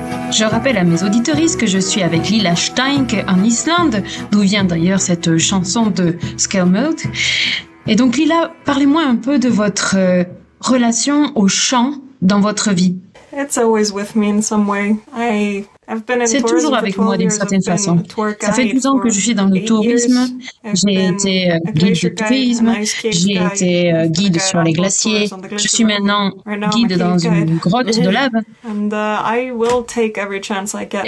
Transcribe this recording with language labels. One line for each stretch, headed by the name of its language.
French: Je rappelle à mes auditrices que je suis avec Lila Steink en Islande, d'où vient d'ailleurs cette chanson de Skelmold. Et donc Lila, parlez-moi un peu de votre relation au chant dans votre vie.
English: It's always with me in some way.
French: C'est toujours avec moi d'une certaine façon. Ça fait 12 ans que je suis dans le tourisme. J'ai été guide de tourisme. J'ai été guide sur les glaciers. Je suis maintenant guide dans une grotte de lave. Et